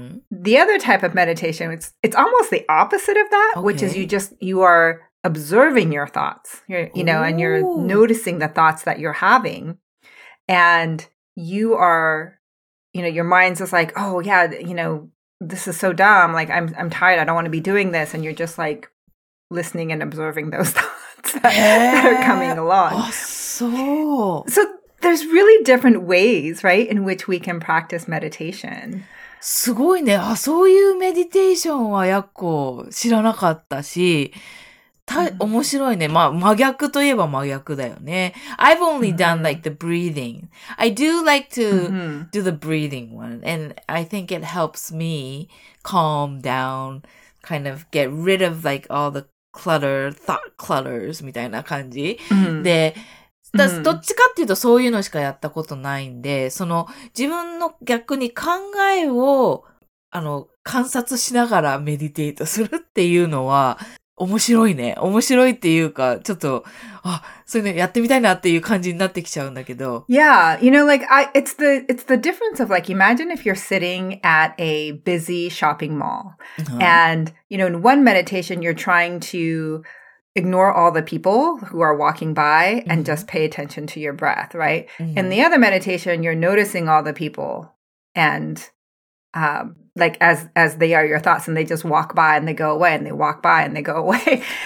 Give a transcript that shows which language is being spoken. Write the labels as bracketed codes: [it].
[en] the other type of meditation it's almost the opposite of that which is you are observing your thoughts and you're noticing the thoughts that you're having and you areYou know, your mind's just like, oh, yeah, you know, this is so dumb. Like, I'm tired. I don't want to be doing this. And you're just like listening and observing those thoughts that are coming along. So there's really different ways, right, in which we can practice meditation. [ja] すごいね。あ、そういうメディテーションはやっこ知らなかったし、面白いね。まあ、真逆といえば真逆だよね。 [en] I've only done like the breathing. I do like to do the breathing one. And I think it helps me calm down, kind of get rid of like all the clutter, thought clutters [ja] みたいな感じ。で、だどっちかっていうとそういうのしかやったことないんで、その自分の逆に考えを観察しながらメディテートするっていうのは面白いね。面白いっていうか、ちょっと、あ、そういうのやってみたいなっていう感じになってきちゃうんだけど。 [en] Yeah, you know, like, it's the difference of like, imagine if you're sitting at a busy shopping mall. And, you know, in one meditation, you're trying to ignore all the people who are walking by and just pay attention to your breath, right? In the other meditation, you're noticing all the people and, like as they are your thoughts and they just walk by and they go away and they walk by and they go away.